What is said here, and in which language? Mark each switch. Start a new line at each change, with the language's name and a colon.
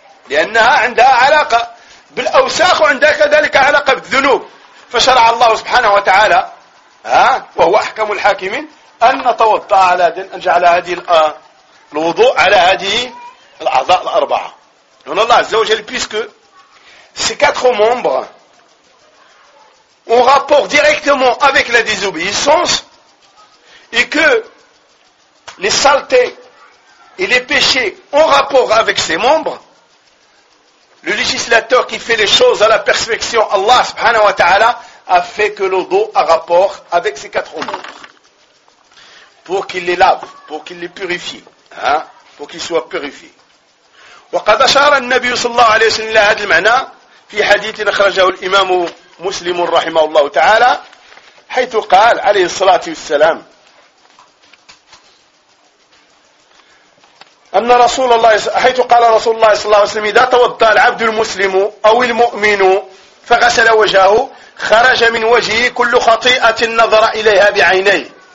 Arabic: لأنها عندها علاقة بالأوساخ وعندها كذلك علاقة بالذنوب. فشرع الله سبحانه وتعالى وهو أحكم الحاكمين أن نتوضأ على دين أن جعل هذه الوضوء على هذه الأعضاء الأربعة. هنا الله عز وجل
French: puisque ces quatre membres ont rapport directement avec la désobéissance et que les saletés et les péchés ont rapport avec ces membres, le législateur qui fait les choses à la perfection, Allah subhanahu wa ta'ala, a fait que le dos a rapport avec ces quatre membres. Pour qu'il les lave, pour qu'il les purifie, hein, pour qu'ils soient purifiés.
Arabic: وقد أشار النبي صلى الله عليه وسلم إلى هذا المعنى في حديث أخرجه الإمام مسلم رحمه الله تعالى حيث قال عليه الصلاة والسلام أن رسول الله حيث قال رسول الله صلى الله عليه وسلم إذا توضأ العبد المسلم أو المؤمن فغسل وجهه خرج من وجهه كل خطيئة نظر إليها بعينيه.